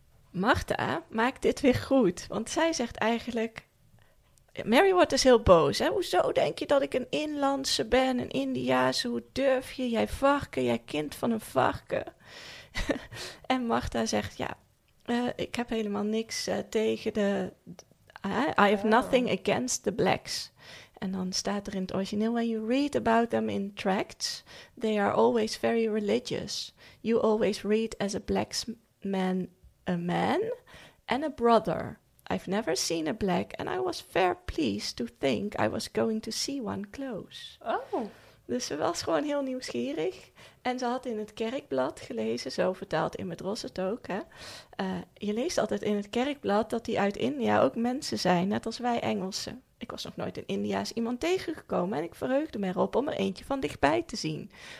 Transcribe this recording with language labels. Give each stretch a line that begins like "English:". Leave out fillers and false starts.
Dutch: Martha maakt dit weer goed, want zij zegt eigenlijk, Mary wordt dus heel boos. Hè? Hoezo denk je dat ik een inlandse ben, een Indiase? Hoe durf je? Jij varken, jij kind van een varken. En Martha zegt, ja, ik heb helemaal niks tegen de...
English: I have nothing against the blacks. En dan staat er in het origineel, when you read about them in tracts, they are always very religious. You always read as a black man, a man and a brother. I've never seen a black and I was fair pleased to think I was going to see one close. Oh.
Dutch: Dus ze was gewoon heel nieuwsgierig. En ze had in het kerkblad gelezen, zo vertaalt Imidros het ook. Hè. Je leest altijd in het kerkblad dat die uit India ook mensen zijn, net als wij Engelsen. Ik was nog nooit in India's iemand tegengekomen en ik verheugde me erop om er eentje van dichtbij te zien.